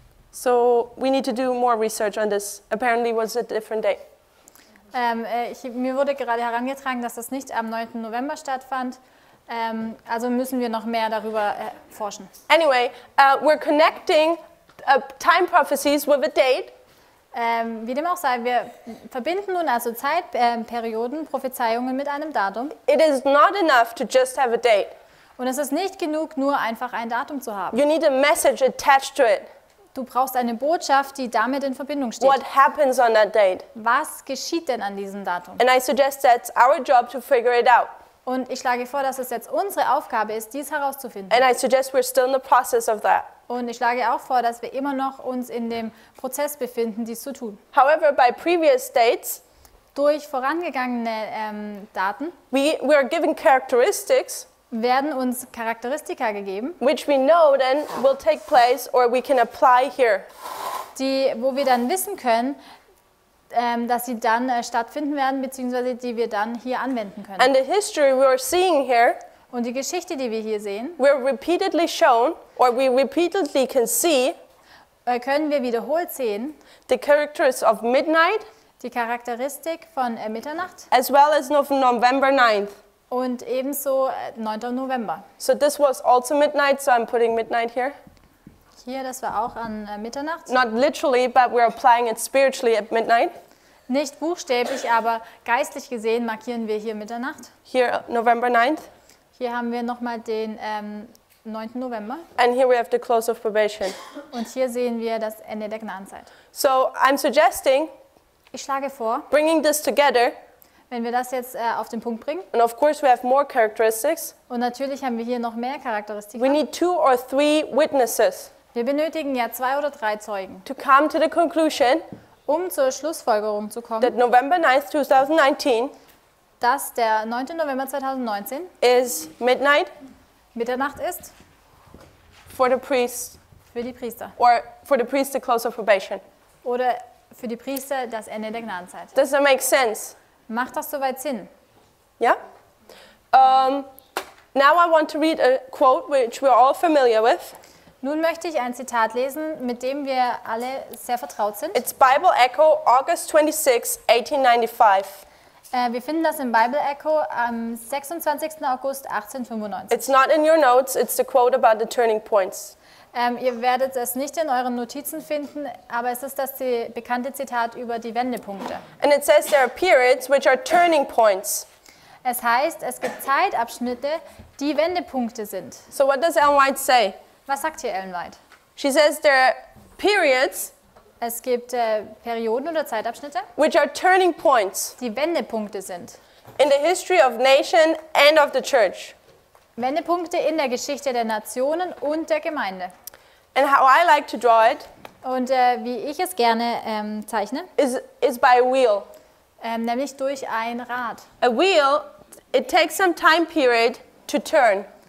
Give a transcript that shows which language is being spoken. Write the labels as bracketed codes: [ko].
[en] So we need to do more research on this. Apparently it was a different day. [de] Mir wurde gerade herangetragen, dass das nicht am 9. November stattfand. Also müssen wir noch mehr darüber forschen. [en] Anyway, we're connecting time prophecies with a date. [de] Wie dem auch sei, wir verbinden nun also Zeitperioden, Prophezeiungen mit einem Datum. [en] It is not enough to just have a date. [de] Und es ist nicht genug, nur einfach ein Datum zu haben. [en] You need a message attached to it. [de] Du brauchst eine Botschaft, die damit in Verbindung steht. [en] What happens on that date? [de] Was geschieht denn an diesem Datum? [en] And I suggest that's our job to figure it out. [de] Und ich schlage vor, dass es jetzt unsere Aufgabe ist, dies herauszufinden. [en] And I suggest we're still in the process of that. [de] Und ich schlage auch vor, dass wir immer noch uns in dem Prozess befinden, dies zu tun. [en] However, by previous dates, [de] durch vorangegangene Daten, [en] we are given characteristics, [de] werden uns Charakteristika gegeben, [en] which we know then will take place or we can apply here, [de] die, wo wir dann wissen können, dass sie dann stattfinden werden, beziehungsweise die wir dann hier anwenden können. [en] And the history we are seeing here, [de] und die Geschichte, die wir hier sehen, [en] we're repeatedly shown, or we repeatedly can see, [de] können wir wiederholt sehen, [en] the characters of midnight, [de] die Charakteristik von Mitternacht, [en] as well as November 9th, [de] und ebenso 9. November. [en] So this was also midnight, so I'm putting midnight here. [de] Hier, das war auch an Mitternacht. [en] Not literally, but we're applying it spiritually at midnight. [de] Nicht buchstäblich, aber geistlich gesehen markieren wir hier Mitternacht. [en] Here, November 9th. [de] Hier haben wir nochmal den 9. November. [en] And here we have the close of probation. [de] Und hier sehen wir das Ende der Gnadenzeit. [en] So, I'm suggesting, [de] ich schlage vor, [en] bringing this together, [de] wenn wir das jetzt auf den Punkt bringen, [en] and of course we have more characteristics, [de] und natürlich haben wir hier noch mehr Charakteristika, [en] we need two or three witnesses, [de] wir benötigen ja zwei oder drei Zeugen, [en] to come to the conclusion, [de] um zur Schlussfolgerung zu kommen, [en] that November 9th, 2019, [de] dass der 9. November 2019 [en] is midnight, [de] Mitternacht ist, [en] for the priests, [de] für die Priester, [en] or for the priests the close of probation, [de] oder für die Priester das Ende der Gnadenzeit. [en] Does that make sense? [de] Macht das soweit Sinn? Ja. [en] Now I want to read a quote which we are all familiar with. [de] Nun möchte ich ein Zitat lesen, mit dem wir alle sehr vertraut sind. [en] It's Bible Echo, August 26, 1895. [de] Wir finden das im Bible Echo am 26. August 1895. [en] It's not in your notes, it's the quote about the turning points. [de] Ihr werdet es nicht in euren Notizen finden, aber es ist das die bekannte Zitat über die Wendepunkte. [en] And it says there are periods which are turning points. [de] Es heißt, es gibt Zeitabschnitte, die Wendepunkte sind. [en] So what does Ellen White say? [de] Was sagt hier Ellen White? [en] She says there are periods. [de] Es gibt Perioden oder Zeitabschnitte, [en] which are turning points. [de] Die Wendepunkte sind. [en] In the history of nation and of the church. [de] Wendepunkte in der Geschichte der Nationen und der Gemeinde. [en] And how I like to draw it, [de] und wie ich es gerne zeichne, [en] is by a wheel. [de] Nämlich durch ein Rad. [en] A wheel, it takes some time period to turn.